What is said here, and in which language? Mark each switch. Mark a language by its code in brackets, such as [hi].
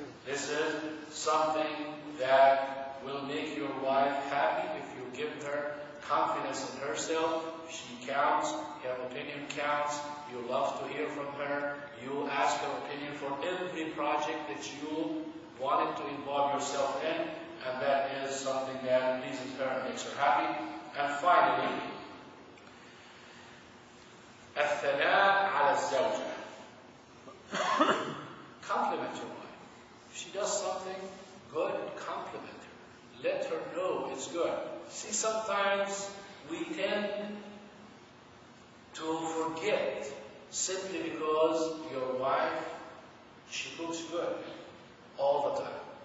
[en] This is something that will make your wife happy if you give her confidence in herself. She counts. Her opinion counts. You love to hear from her. You ask her opinion for every project that you wanted to involve yourself in. And that is something that pleases her and makes her happy. And finally, [ar] الثناء على الزوجة. [en] Compliment your wife. If she does something good, compliment her. Let her know it's good. See, sometimes we tend to forget simply because your wife, she cooks good all the time.